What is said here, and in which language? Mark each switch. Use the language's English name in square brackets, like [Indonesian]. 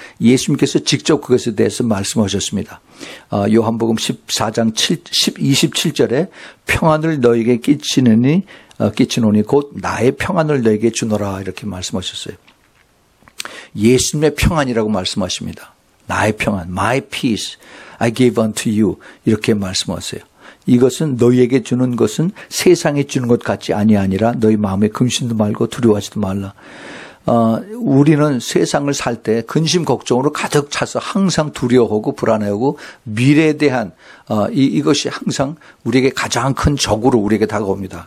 [Korean] 예수님께서 직접 그것에 대해서 말씀하셨습니다. 요한복음 14장 27절에 평안을 너에게 끼치노니 곧 나의 평안을 너에게 주노라 이렇게 말씀하셨어요. 예수님의 평안이라고 말씀하십니다. 나의 평안, [English] My peace I give unto you [Korean] 이렇게 말씀하세요. 이것은 너희에게 주는 것은 세상에 주는 것 같지 아니하니라 너희 마음에 근심도 말고 두려워하지도 말라. 우리는 세상을 살 때 근심 걱정으로 가득 차서 항상 두려워하고 불안해하고 미래에 대한 이것이 항상 우리에게 가장 큰 적으로 우리에게 다가옵니다.